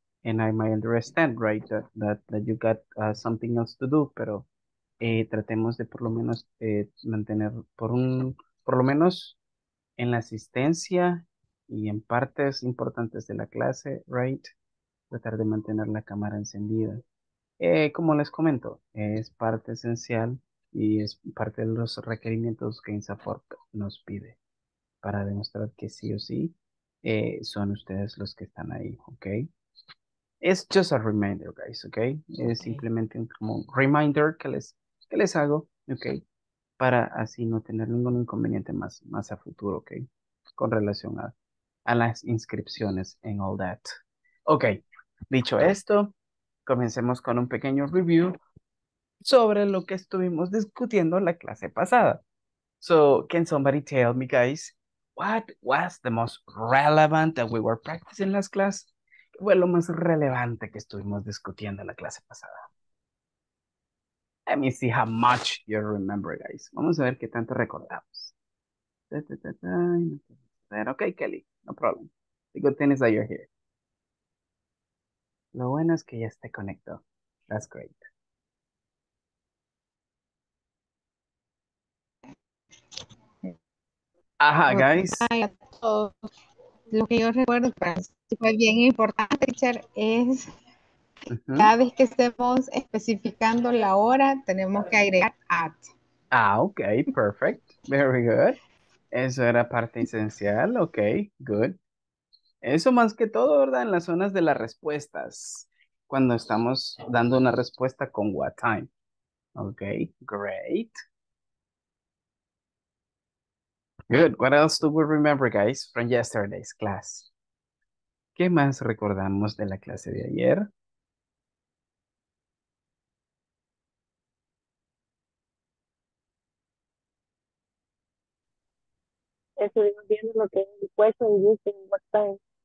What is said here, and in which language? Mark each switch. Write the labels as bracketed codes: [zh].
[en] And I might understand, right, that you got something else to do. [es] Pero tratemos de por lo menos mantener por un. Por lo menos en la asistencia y en partes importantes de la clase, right? Tratar de mantener la cámara encendida. Como les comento, es parte esencial y es parte de los requerimientos que INSAFORP nos pide para demostrar que sí o sí son ustedes los que están ahí, ¿ok? [en] It's just a reminder, guys, ¿ok? Es Okay. [es] simplemente como un reminder que les ¿Qué les hago? Ok. Para así no tener ningún inconveniente más a futuro, ok. Con relación a las inscripciones en [en] all that. [es] Ok. Dicho esto, comencemos con un pequeño review sobre lo que estuvimos discutiendo la clase pasada. [en] So, can somebody tell me, guys, what was the most relevant that we were practicing last class? [es] ¿Qué fue lo más relevante que estuvimos discutiendo en la clase pasada? [en] Let me see how much you remember, guys. [es] Vamos a ver qué tanto recordamos. [en] Ok, Kelly, no problem. The good thing is that you're here. [es] Lo bueno es que ya esté conectado. [en] That's great. Ajá, guys. [es] Hola a todos. Lo que yo recuerdo para mí fue bien importante, Richard, es cada vez que estemos especificando la hora, tenemos que agregar at. [en] Ah, ok, perfect. Very good. [es] Eso era parte esencial. [en] Ok, good. [es] Eso más que todo, ¿verdad? En las zonas de las respuestas. Cuando estamos dando una respuesta con what time. [en] Ok, great. Good. What else do we remember, guys, from yesterday's class? [es] ¿Qué más recordamos de la clase de ayer? Estuvimos viendo lo que es el puesto de uso en WhatsApp.